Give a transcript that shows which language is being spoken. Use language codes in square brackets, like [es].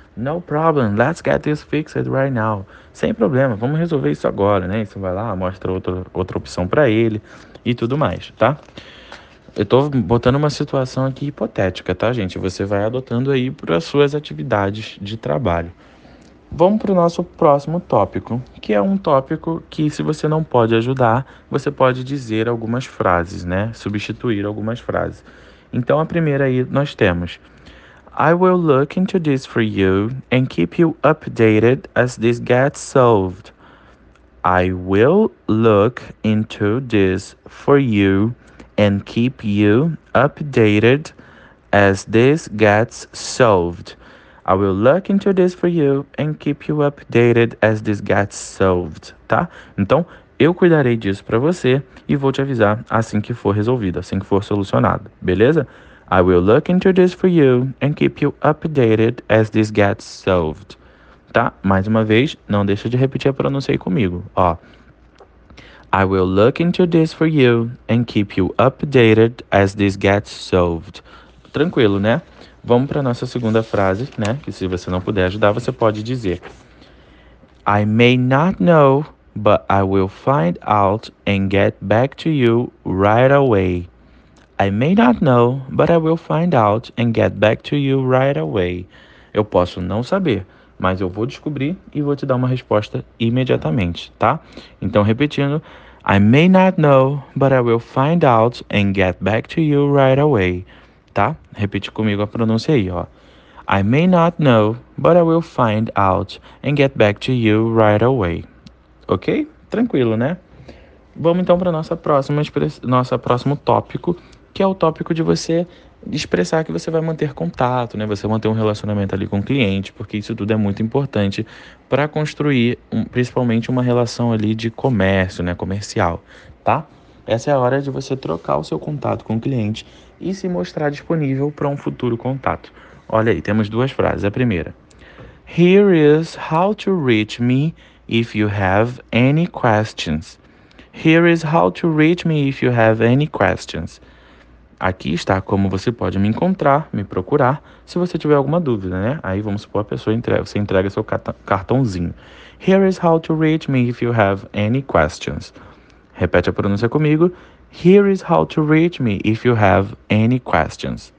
[en] No problem, let's get this fixed right now. [pt] Sem problema, vamos resolver isso agora, né? Você vai lá, mostra outra opção para ele e tudo mais, tá? Eu tô botando uma situação aqui hipotética, tá, gente? Você vai adotando aí para as suas atividades de trabalho. Vamos para o nosso próximo tópico, que é um tópico que, se você não pode ajudar, você pode dizer algumas frases, né? Substituir algumas frases. Então, a primeira aí nós temos: [en] I will look into this for you and keep you updated as this gets solved. I will look into this for you and keep you updated as this gets solved. I will look into this for you and keep you updated as this gets solved. [pt] Tá? Então, eu cuidarei disso para você e vou te avisar assim que for resolvido, assim que for solucionado. Beleza? [en] I will look into this for you and keep you updated as this gets solved. [pt] Tá? Mais uma vez, não deixa de repetir a pronúncia aí comigo. Ó. [en] I will look into this for you and keep you updated as this gets solved. [pt] Tranquilo, né? Vamos para nossa segunda frase, né? Que se você não puder ajudar, você pode dizer. [en] I may not know, but I will find out and get back to you right away. I may not know, but I will find out and get back to you right away. [pt] Eu posso não saber, mas eu vou descobrir e vou te dar uma resposta imediatamente, tá? Então, repetindo, [en] I may not know, but I will find out and get back to you right away, tá? [pt] Repete comigo a pronúncia aí, ó. [en] I may not know, but I will find out and get back to you right away. [pt] Ok? Tranquilo, né? Vamos então para nosso próximo tópico, que é o tópico de você expressar que você vai manter contato, né? Você manter um relacionamento ali com o cliente, porque isso tudo é muito importante para construir, principalmente, uma relação ali de comércio, né? Comercial, tá? Essa é a hora de você trocar o seu contato com o cliente e se mostrar disponível para um futuro contato. Olha aí, temos duas frases. A primeira: [en] Here is how to reach me if you have any questions. Here is how to reach me if you have any questions. [pt] Aqui está como você pode me encontrar, me procurar, se você tiver alguma dúvida, né? Aí vamos supor a pessoa entrega, você entrega seu cartãozinho. [en] Here is how to reach me if you have any questions. [pt] Repete a pronúncia comigo. [en] Here is how to reach me if you have any questions.